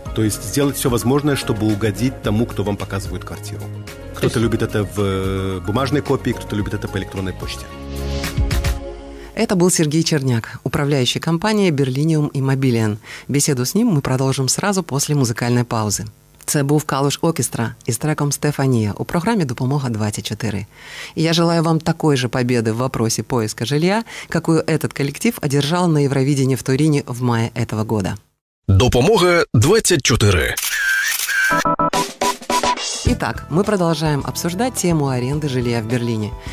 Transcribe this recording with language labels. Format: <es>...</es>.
<ru>То есть сделать все возможное, чтобы угодить тому, кто вам показывает квартиру. Кто-то любит это в бумажной копии, кто-то любит это по электронной почте. Это был Сергей Черняк, управляющий компанией «Берлиниум Иммобилиен». Беседу с ним мы продолжим сразу после музыкальной паузы.</ru> <uk>Це був Калуш Окестра із треком «Стефанія» у програмі «Допомога-24».</uk> <ru>І я желаю вам такой же победы в вопросе поиска жилья, какую этот коллектив одержал на Евровидении в Турине в мае этого года.</ru> <uk>Допомога 24.</uk> <ru>Итак, мы продолжаем обсуждать тему аренды жилья в Берлине.</ru>